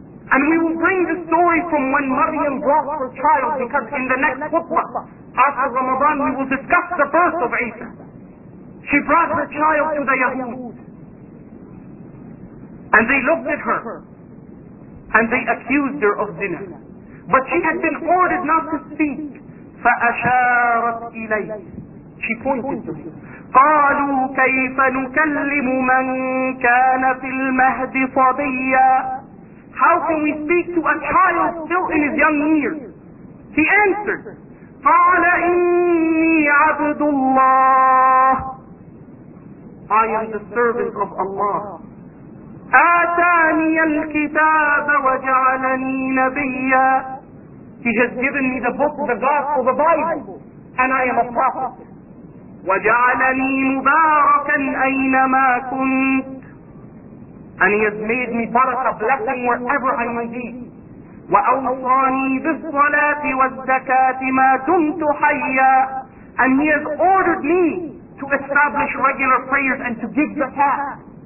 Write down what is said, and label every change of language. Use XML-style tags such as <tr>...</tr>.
<en>And we will bring the story from when Maryam brought her child, because in the next khutbah, after Ramadan, we will discuss the birth of Isa. She brought her child to the Yahud. And they looked at her, and they accused her of zina. But she had been ordered not to speak.</en> <ar>فَأَشَارَتْ إِلَيْهِ.</ar> <en>She pointed to him.</en> <ar>قالوا كيف نكلم من كان في المهد صبيا.</ar> <en>How can we speak to a child still in his young years? He answered,</en> <ar>قال إني عبد الله.</ar> <en>I am the servant of Allah.</en> <ar>آتاني الكتاب وجعلني نبيا.</ar> <en>He has given me the book, the gospel, the Bible, and I am a prophet.</en> <ar>وجعلني مباركا أينما كنت.</ar> <en>And he has made me part of blessing wherever I may be.</en> <ar>وأوصاني بالصلاة والزكاة ما دمت حيا.</ar> <en>And he has ordered me to establish regular prayers and to give zakah.</en>